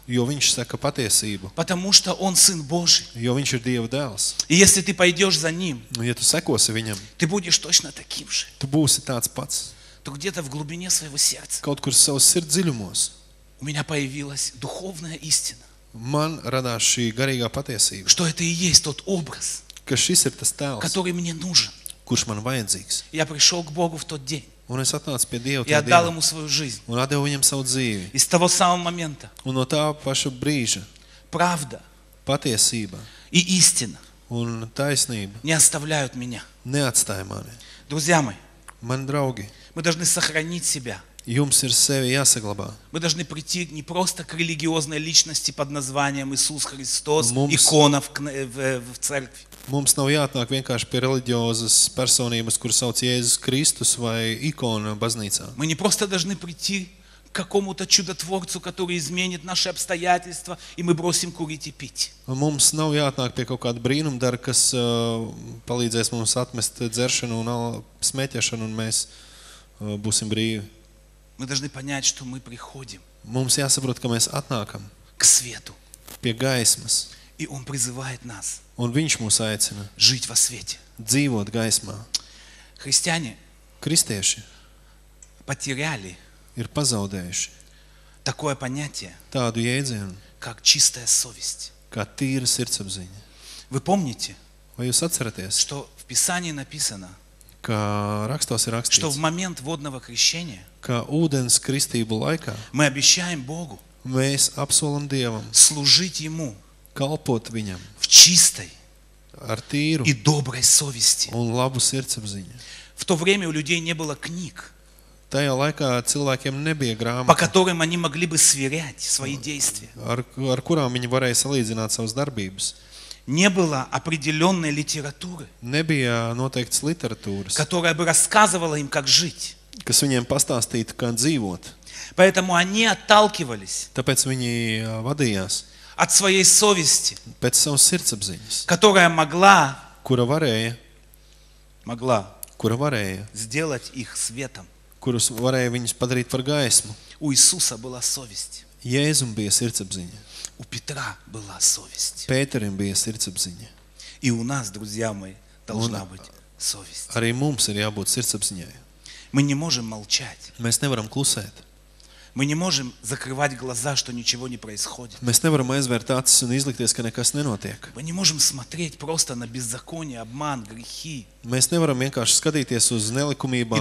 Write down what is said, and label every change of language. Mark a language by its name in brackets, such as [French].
[Latvian] Jo viņš saka patiesību. [Russian] Потому что он сын Божий. [Latvian] Jo viņš ir Dieva dēls. [Russian] И если ты пойдешь за ним. [Latvian] Ja tu sekosi viņam. [Russian] Ты будешь точно таким же. [Latvian] Tu būsi tāds pats. [Russian] То где-то в глубине своего сердца. [Latvian] Kaut kur savu sirds dziļumos. [Russian] У меня появилась духовная истина. [Latvian] Man radās šī garīgā patiesība. [Russian] Что это и есть тот образ. [Latvian] Ka šis ir tas tēls. [Russian] Который мне нужен. [Latvian] Kurš man vajadzīgs. [Russian] Я пришел к Богу в тот день. [Latvian] Un es atnācu pie Dieva tajā dienā. [Russian] Ему свою жизнь. [Latvian] Un atdevu viņam savu dzīvi. [Russian] Из того самого момента. [Latvian] Un no tā paša brīža. [Russian] Правда. [Latvian] Patiesība. [Russian] И истина. [Latvian] Un taisnība. [Russian] Не оставляют меня. [Latvian] Neatstāja mani. [Russian] Друзья мои. [Latvian] Mani draugi. [Russian] Мы должны сохранить себя. [Latvian] Jums ir sevi jāsaglabā. [Russian] Мы должны прийти не просто к религиозной личности под названием Иисус Христос, икона в церкви. [Latvian] Mums nav jāatnāk vienkārši pie reliģiozas personības, kuras sauc Jēzus Kristus vai ikona baznīcā. [Russian] Мы не просто должны прийти к какому-то чудотворцу, который изменит наши обстоятельства, и мы бросим курить и пить. [Latvian] Mums nav jāatnāk pie kaut kāda brīnumdara, kas palīdzēs mums atmest dzeršanu un smēķēšanu, un mēs būsim brīvi. [Russian] Мы должны понять, что мы приходим. [Latvian] Mums jāsaprot, ka mēs atnākam. [Russian] К свету. [Latvian] Pie gaismas. [Russian] И он призывает нас. [Latvian] Un viņš mūs aicina. [Russian] Жить во свете. [Latvian] Dzīvot gaismā. [Russian] Христиане. [Latvian] Kristieši. [Russian] Потеряли. [Latvian] Ir pazaudējuši. [Russian] Такое понятие. [Latvian] Tādu jēdzienu. [Russian] Как чистая совесть. [Latvian] Kā tīra sirdsapziņa. [Russian] Вы помните? [Latvian] Vai jūs atceraties? [Russian] Что в Писании написано. [Latvian] Ka rakstos ir rakstīts. [Russian] Что в момент водного крещения. [Latvian] Ka ūdens kristību laikā. [Russian] Мы обещаем Богу. [Latvian] Mēs apsolam Dievam. [Russian] Служить Ему. [Latvian] Kalpot Viņam. [Russian] В чистой. [Latvian] Ar tīru. [Russian] И доброй совести. [Latvian] Un labu sirdsapziņu. [Russian] В то время у людей не было книг. [Latvian] Tajā laikā cilvēkiem nebija grāmatas. [Russian] По которым они могли бы сверять свои действия. [Latvian] Ar kurām viņi varēja salīdzināt savas darbības. [Russian] Не было определенной литературы. [Latvian] Nebija noteiktas literatūras. [Russian] Которая бы рассказывала им, как жить. [Latvian] Kas viņiem pastāstītu, kā dzīvot. [Russian] Поэтому они отталкивались. [Latvian] Tāpēc viņi vadījās. [Russian] От своей совести. [Latvian] Pēc savas sirdsapziņas. [Russian] Которая могла. [Latvian] Kura varēja. [Russian] Могла. [Latvian] Kura varēja. [Russian] Сделать их светом. [Latvian] Kurus varēja viņus padarīt par gaismu. [Russian] У Иисуса была совесть. [Latvian] Jēzum bija sirdsapziņa. [Russian] У Петра была совесть. [Latvian] Pēterim bija sirdsapziņa. [Russian] И у нас, друзья мои, должна быть совесть. [Latvian] Arī mums ir jābūt sirdsapziņai. [Russian] Мы не можем молчать. [Latvian] Mēs nevaram klusēt. [Russian] Мы не можем закрывать глаза, что ничего не происходит. [Latvian] Mēs nevaram aizvērt acis un izlikties, ka nekas nenotiek. [Russian] Мы не можем смотреть просто на беззаконие, обман, грехи. [Latvian] Mēs nevaram vienkārši skatīties uz nelikumībām,